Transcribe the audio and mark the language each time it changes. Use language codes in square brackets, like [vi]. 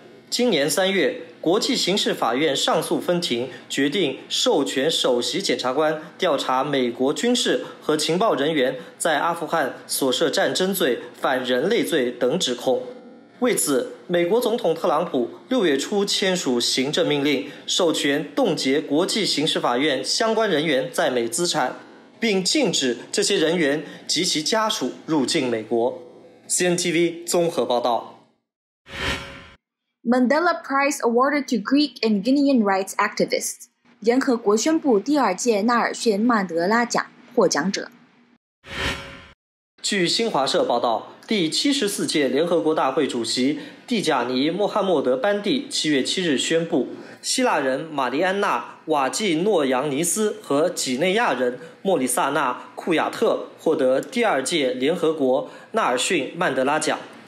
[zh] 今年三月，国际刑事法院上诉分庭决定授权首席检察官调查美国军事和情报人员在阿富汗所涉战争罪、反人类罪等指控。为此，美国总统特朗普6月初签署行政命令，授权冻结国际刑事法院相关人员在美资产，并禁止这些人员及其家属入境美国。 CNTV 综合报道。 [en] Mandela Prize awarded to Greek and Guinean rights activists. [zh] 联合国宣布第二届纳尔逊·曼德拉奖获奖者。据新华社报道，第74届联合国大会主席蒂贾尼·穆罕默德·班蒂7月7日宣布，希腊人玛丽安娜·瓦季诺扬尼斯和几内亚人莫里萨纳·库亚特获得第二届联合国纳尔逊·曼德拉奖。